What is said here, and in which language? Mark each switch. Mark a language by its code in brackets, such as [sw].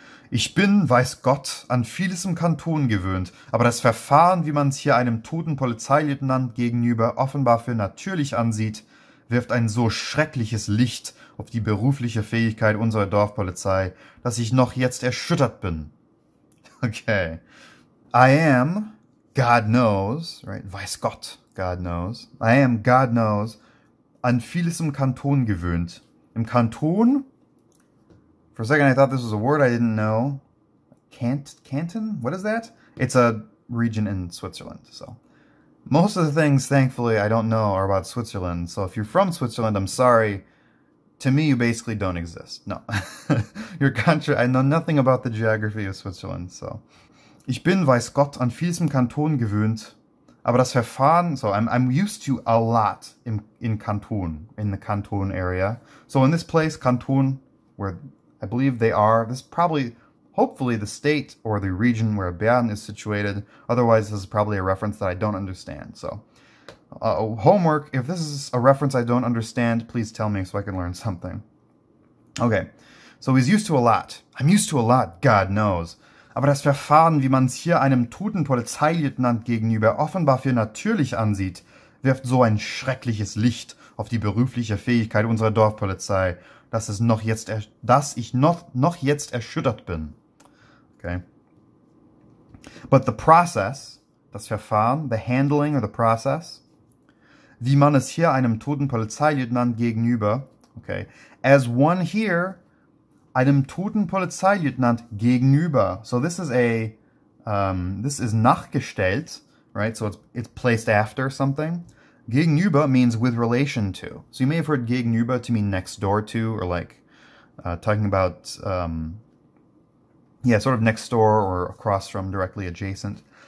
[de] Ich bin, weiß Gott, an vieles im Kanton gewöhnt, aber das Verfahren, wie man es hier einem toten Polizeileutnant gegenüber offenbar für natürlich ansieht, wirft ein so schreckliches Licht auf die berufliche Fähigkeit unserer Dorfpolizei, dass ich noch jetzt erschüttert bin. [en] Okay. I am, God knows, right? [de] Weiß Gott, [en] God knows. I am, God knows, [de] an vieles im Kanton gewöhnt. Im Kanton? [en] For a second, I thought this was a word I didn't know. Canton? What is that? It's a region in Switzerland, so. Most of the things, thankfully, I don't know are about Switzerland. So if you're from Switzerland, I'm sorry. To me, you basically don't exist. No. Your country, I know nothing about the geography of Switzerland, so. [de] Ich bin, weiß Gott, an vieles im Kanton gewöhnt. Aber das Verfahren, [en] so I'm used to a lot in Kanton, in the Kanton area. So in this place, Kanton, where I believe they are, this is probably, hopefully, the state or the region where Bern is situated. Otherwise, this is probably a reference that I don't understand. So, homework, if this is a reference I don't understand, please tell me so I can learn something. Okay, so he's used to a lot. I'm used to a lot, God knows. [de] Aber das Verfahren, wie man es hier einem toten Polizeileutnant gegenüber offenbar für natürlich ansieht, wirft so ein schreckliches Licht auf die berufliche Fähigkeit unserer Dorfpolizei, dass ich noch jetzt erschüttert bin. [en] Okay. But the process, [de] das Verfahren, [en] the handling or the process, [de] wie man es hier einem toten Polizeileutnant gegenüber, okay, [en] as one here, [de] einem toten Polizeileutnant gegenüber. [en] So this is a, this is nachgestellt, right? So it's placed after something. Gegenüber means with relation to. So you may have heard gegenüber to mean next door to, or like talking about, sort of next door or across from, directly adjacent.